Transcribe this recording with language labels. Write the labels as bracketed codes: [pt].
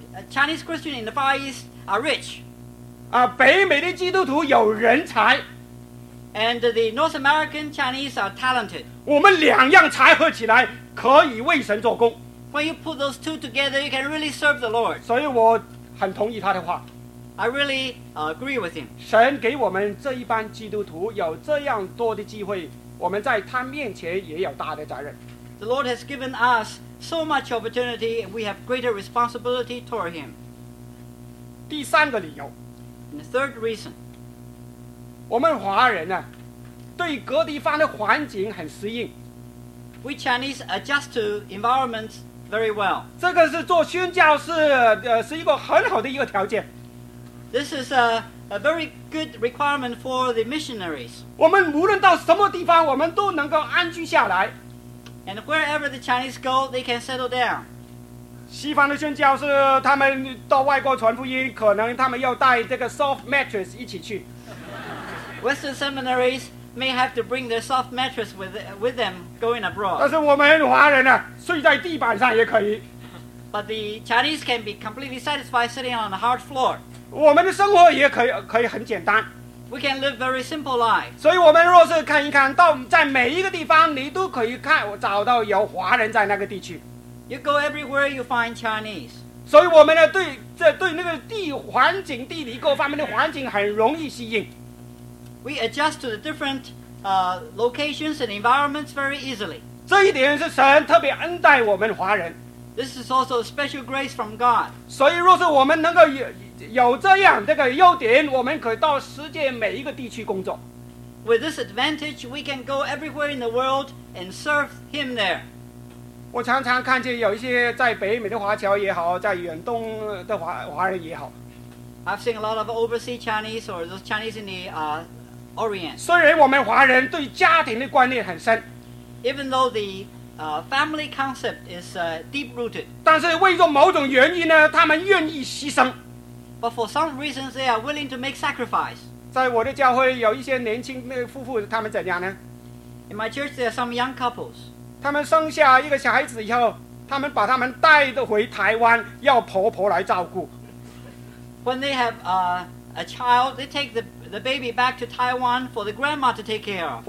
[en] Chinese Christians in the Far East are rich. [zh] 啊，北美的基督徒有人才。 [en] And the North American Chinese are talented. [zh] 我们两样才合起来可以为神做工。 [en] When you put those two together, you can really serve the Lord. [zh] 所以我很同意他的话。 [en] I really agree with him. [zh] 神给我们这一班基督徒有这样多的机会，我们在他面前也有大的责任。 [en] The Lord has given us so much opportunity, and we have greater responsibility toward him. [zh] 第三个理由。 [en] And the third reason. [zh] 我们华人呢，对各地方的环境很适应。 [en] We Chinese adjust to environments very well. [zh] 这个是做宣教士是一个很好的一个条件。 [en] This is a very good requirement for the missionaries. [zh] 我们无论到什么地方，我们都能够安居下来。 [en] And wherever the Chinese go, they can settle down. [zh] 西方的宣教士，他们到外国传福音，可能他们要带这个 [en] soft mattress [zh] 一起去。 [en] Western seminaries may have to bring their soft mattress with them going abroad. [zh] 但是我们华人啊，睡在地板上也可以。 [en] But the Chinese can be completely satisfied sitting on the hard floor. [zh] 我们的生活也可以很简单。 [en] We can live very simple life. [zh] 所以我们若是看一看到在每一个地方你都可以看找到有华人在那个地区。 [en] You go everywhere you find Chinese. [zh] 所以我们呢对这对那个地环境地理各方面的环境很容易适应。 [en] We adjust to the different locations and environments very easily. [zh] 这一点是神特别恩待我们华人。 [en] This is also a special grace from God. [zh] 所以若是我们能够有这样这个优点，我们可以到世界每一个地区工作。 [en] With this advantage, we can go everywhere in the world and serve Him there. [zh] 我常常看见有一些在北美的华侨也好，在远东的华人也好。 [en] I've seen a lot of overseas Chinese or those Chinese in the Orient. [zh] 虽然我们华人对家庭的观念很深。 [en] Even though the family concept is deep rooted. [zh] 但是为着某种原因呢，他们愿意牺牲。 [en] But for some reasons, they are willing to make sacrifice. [zh] 在我的教会有一些年轻的夫妇，他们怎样呢？ [en] In my church, there are some young couples. [zh] 他们生下一个小孩子以后，他们把他们带回台湾，要婆婆来照顾。 [en] When they have a child, they take the baby back to Taiwan for the grandma to take care of.